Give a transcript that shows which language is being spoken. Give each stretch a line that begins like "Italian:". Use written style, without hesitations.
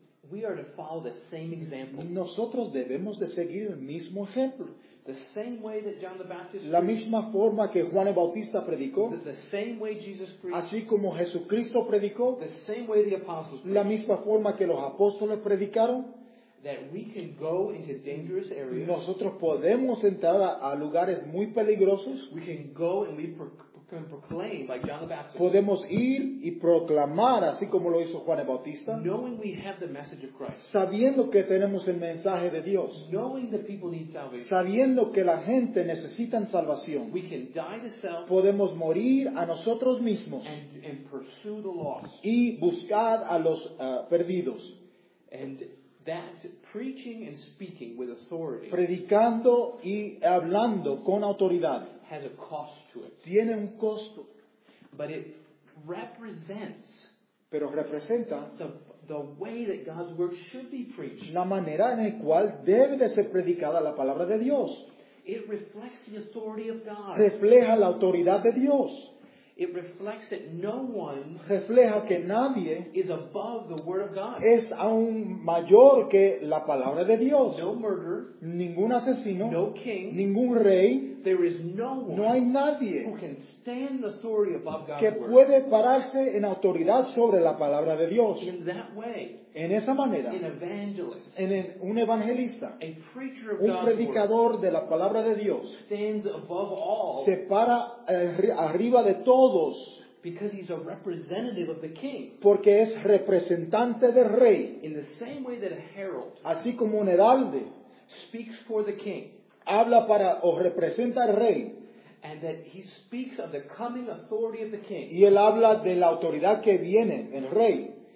English: We are to follow the same example.
Spanish: Nosotros debemos de seguir el mismo ejemplo.
English: The same way that John the Baptist preached.
Spanish: La misma forma que Juan el Bautista predicó.
English: The same way Jesus preached.
Spanish: Así como Jesucristo predicó.
English: The same way the apostles preached.
Spanish: La misma forma que los apóstoles predicaron.
English: that we can go into dangerous areas.
Spanish: Nosotros podemos entrar a lugares muy peligrosos.
English: We can go and we can proclaim like John the Baptist.
Spanish: Podemos ir y proclamar así como lo hizo Juan el Bautista.
English: Knowing we have the message of Christ.
Spanish: Sabiendo que tenemos el mensaje de Dios.
English: Knowing that people need salvation.
Spanish: Sabiendo que la gente necesita salvación.
English: We can die to self.
Spanish: Podemos morir a nosotros mismos.
English: And pursue the lost.
Spanish: Y buscar a los perdidos.
English: And that preaching and speaking with authority,
Spanish: predicando y hablando con autoridad,
English: has a cost to it.
Spanish: Tiene un costo,
English: but it represents,
Spanish: pero representa
English: the way that God's word should be preached.
Spanish: La manera en la cual debe de ser predicada la palabra de Dios.
English: It reflects the authority of God.
Spanish: Refleja la autoridad de Dios.
English: It reflects that no one,
Spanish: refleja que nadie,
English: is above the word of God.
Spanish: Es aún mayor que la palabra de Dios.
English: No murderer,
Spanish: ningún asesino,
English: no king,
Spanish: ningún rey.
English: There is no one,
Spanish: no hay nadie,
English: who can stand the authority above God's
Spanish: que
English: word.
Spanish: Puede pararse en autoridad sobre la palabra de Dios.
English: In that way,
Spanish: en esa manera,
English: an evangelist,
Spanish: en un evangelista,
English: a preacher of
Spanish: un
English: God's
Spanish: predicador
English: word,
Spanish: de la palabra de Dios,
English: stands above all,
Spanish: se para arriba de todos,
English: because he's a representative of the king,
Spanish: porque es representante del rey.
English: In the same way that a herald,
Spanish: así como un heralde,
English: speaks for the king,
Spanish: habla para o representa al rey,
English: and that he speaks of the coming authority of the king,
Spanish: y él habla de la autoridad que viene el rey.